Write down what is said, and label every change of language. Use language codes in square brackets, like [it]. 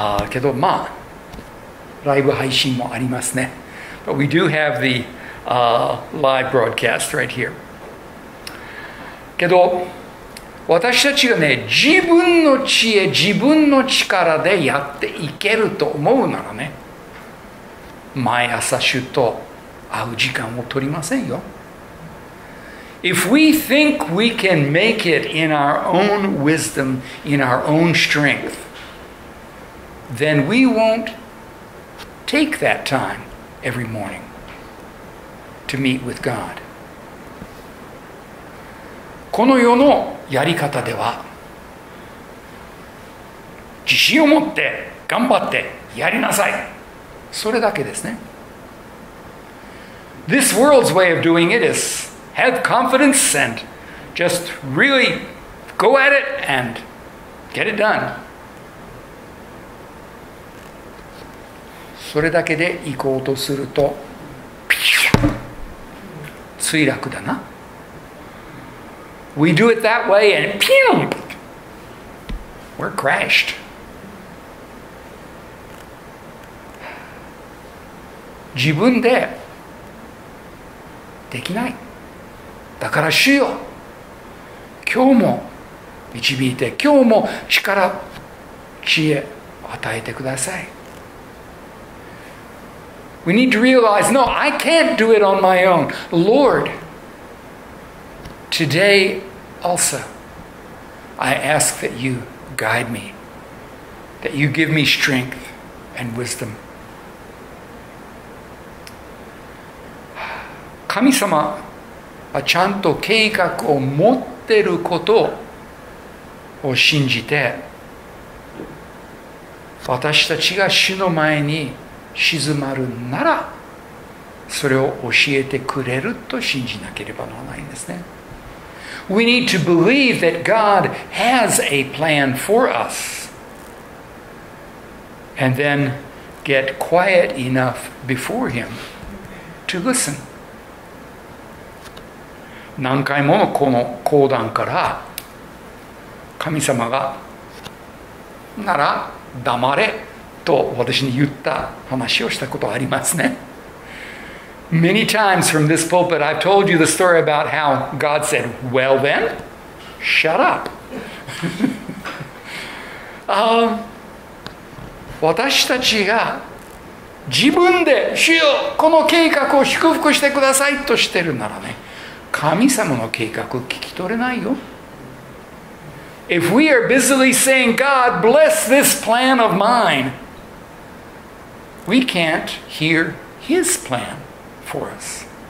[ja] けどまあ、ライブ配信もありますね。 [en] But we do have the live broadcast right here. [ja] けど、私たちがね、自分の知恵、自分の力でやっていけると思うならね、毎朝主と会う時間を取りませんよ。 [en] If we think we can make it in our own wisdom, in our own strength, then we won't take that time every morning to meet with God. [ja] この世のやり方では、自信を持って頑張ってやりなさい。それだけですね。 [en] This world's way of doing it is have confidence and just really go at it and get it done. [ja] それだけで行こうとすると、墜落だな。 [en] We do it that way and pew! We're crashed. [ja] 自分でできない。だから主よ、今日も導いて、今日も力、知恵を与えてください。 [en] We need to realize, no, I can't do it on my own. Lord, today also, I ask that you guide me, that you give me strength and wisdom. [ja] 神様はちゃんと計画を持ってることを信じて、私たちが主の前に静まるなら、それを教えてくれると信じなければならないんですね。 [en] We need to believe that God has a plan for us, and then get quiet enough before Him to listen. [ja] 何回ものこの講談から神様がなら黙れと私に言った話をしたことありますね。 [en] Many times from this pulpit I've told you the story about how God said, well then, shut up. [ja] 私たちが自分で主よこの計画を祝福してくださいとしてるならね、神様の計画聞き取れないよ。 [en] If we are busily saying, God bless this plan of mine, we can't hear His plan for us.